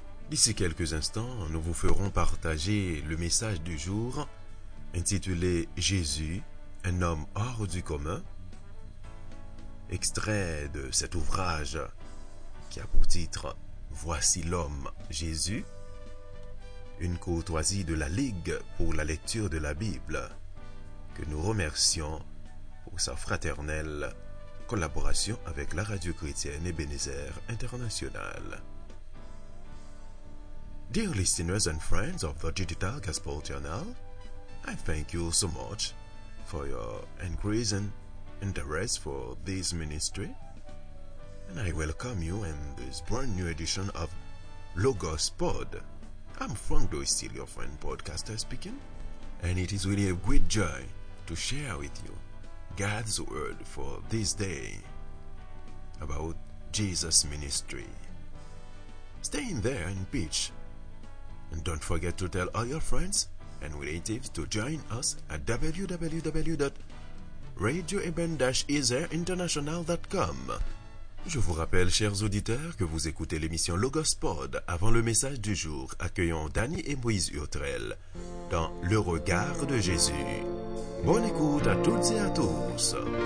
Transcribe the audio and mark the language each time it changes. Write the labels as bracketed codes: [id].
[fr] D'ici quelques instants, nous vous ferons partager le message du jour intitulé « Jésus, un homme hors du commun » extrait de cet ouvrage qui a pour titre « Voici l'homme Jésus » une courtoisie de la Ligue pour la lecture de la Bible que nous remercions pour sa fraternelle collaboration avec la radio chrétienne Ebenezer International. [en] Dear listeners and friends of the Digital Gospel Journal, I thank you so much for your increasing interest for this ministry, and I welcome you in this brand new edition of Logos Pod. I'm Frank Doistil, your friend podcaster speaking, and it is really a great joy to share with you God's word for this day about Jesus' ministry. Stay in there and pitch. And don't forget to tell all your friends and relatives to join us at www.radioeben-ezerinternational.com. [fr] Je vous rappelle, chers auditeurs, que vous écoutez l'émission Logos Pod. Avant le message du jour, accueillons Danny et Moïse Hurtrel dans Le regard de Jésus. Bonne écoute à toutes et à tous.